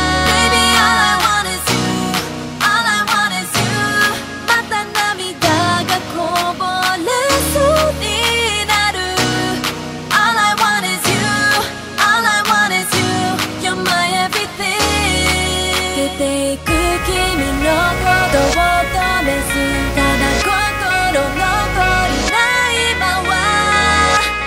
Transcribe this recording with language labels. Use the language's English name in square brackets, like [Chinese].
[English] Baby all I want is you, all I want is you。 [Japanese] また涙がこぼれそうになる。 [English] All I want is you, all I want is you, you're my everything。 [Japanese] 出ていく君のことを止めず、ただ心残りない場は。